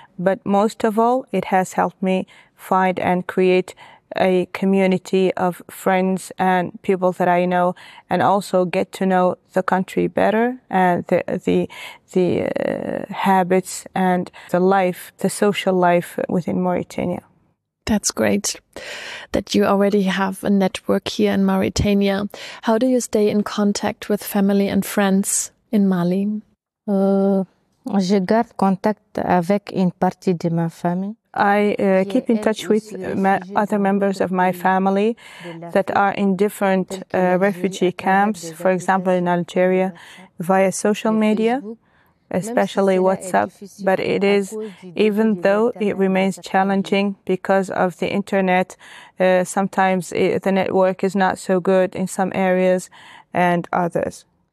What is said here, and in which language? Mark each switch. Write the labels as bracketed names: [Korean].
[English] But most of all, it has helped me find and create a community of friends and people that I know, and also get to know the country better and the habits and the life, the social life within Mauritania. That's great that you already have a network here in Mauritania. How do you stay in contact with family and friends in Mali? [French] Je garde contact avec une partie de ma famille. [English] I keep in touch with other members of my family that are in different refugee camps, for example, in Algeria, via social media, especially WhatsApp. But it is, even though it remains challenging because of the internet, sometimes the network is not so good in some areas and others.